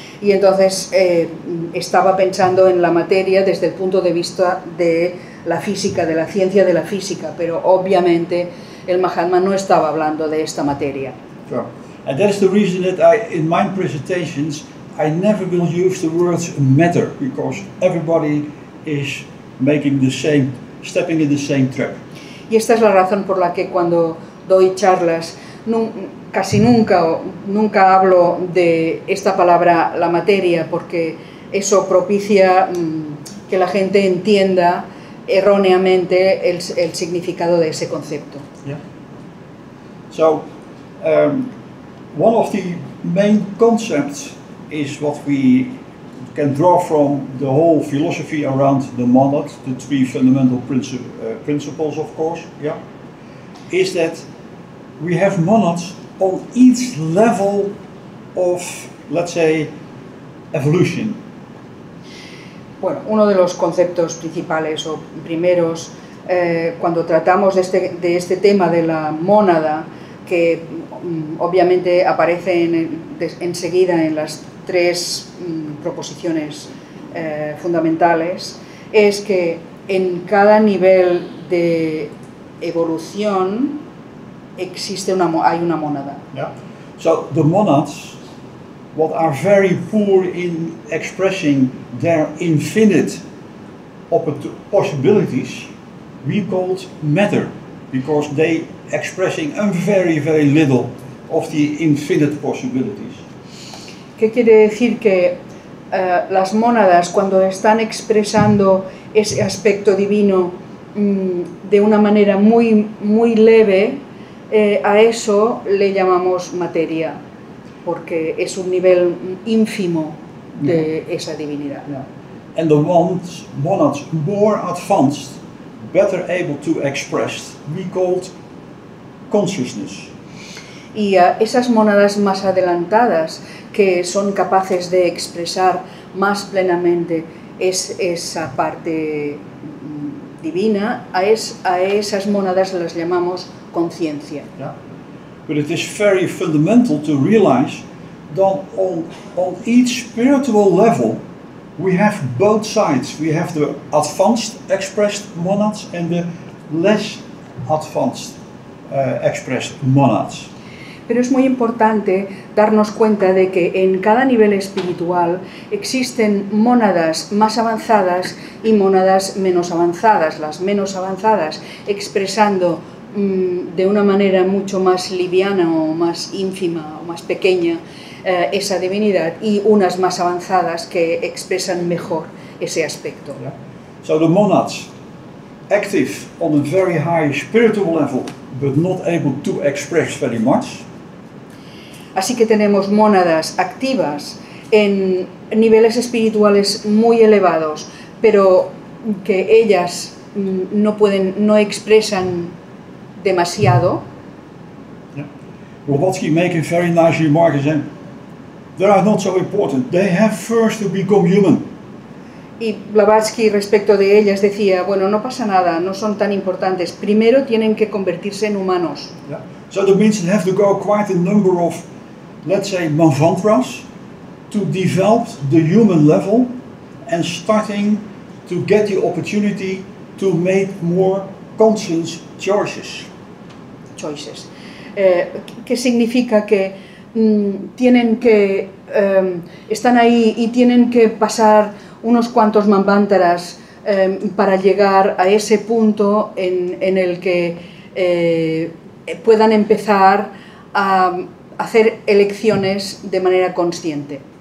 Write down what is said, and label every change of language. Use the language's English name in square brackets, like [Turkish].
[Spanish] Y entonces estaba pensando en la materia desde el punto de vista de la física, de la ciencia de la física, pero obviamente el Mahatma no estaba hablando de esta materia. [English] Sure. And that's the reason that I, in my presentations, I never will use the words matter, because everybody is making the same, stepping in the same trap. [Spanish] Y esta es la razón por la que cuando doy charlas, casi nunca hablo de esta palabra, la materia, porque eso propicia que la gente entienda erróneamente el significado de ese concepto. [English] Yeah. So, one of the main concepts is what we can draw from the whole philosophy around the monad, the three fundamental principles, of course, yeah, is that we have monads on each level of, let's say, evolution. [Spanish] Bueno, uno de los conceptos principales o primeros cuando tratamos de este tema de la mónada, que obviamente aparece enseguida en las tres proposiciones fundamentales, es que en cada nivel de evolución existe hay una mónada. [English] Yeah. So the monads, what are very poor in expressing their infinite possibilities, we called matter, because they expressing a very very little of the infinite possibilities. [Spanish] ¿Qué quiere decir que las mónadas, cuando están expresando ese aspecto divino de una manera muy muy leve, a eso le llamamos materia, porque es un nivel ínfimo de esa divinidad? [English] Yeah. And the monads more advanced, better able to express, we called consciousness. [Spanish] Y esas mónadas más adelantadas, que son capaces de expresar más plenamente esa parte divina, a esas mónadas las llamamos conciencia. [English] Yeah. But it is very fundamental to realize that on each spiritual level we have both sides. We have the advanced expressed monads and the less advanced expressed monads. [Spanish] Pero es muy importante darnos cuenta de que en cada nivel espiritual existen mónadas más avanzadas y mónadas menos avanzadas, las menos avanzadas expresando de una manera mucho más liviana o más ínfima o más pequeña esa divinidad, y unas más avanzadas que expresan mejor ese aspecto. [English] So the monads active on a very high spiritual level but not able to express very much. [Spanish] Así que tenemos mónadas activas en niveles espirituales muy elevados, pero que ellas no expresan demasiado. [English] Yeah. Blavatsky makes a very nice remark, and they are not so important. They have first to become human. [Spanish] Y Blavatsky respecto de ellas decía, bueno, no pasa nada, no son tan importantes. Primero tienen que convertirse en humanos. [English] Yeah. So that means they have to go quite a number of, let's say, mantras, to develop the human level and starting to get the opportunity to make more conscious choices. Choices. [Spanish] ¿Qué significa que tienen que están ahí y tienen que pasar unos cuantos mantras para llegar a ese punto en el que puedan empezar a hacer elecciones de manera consciente?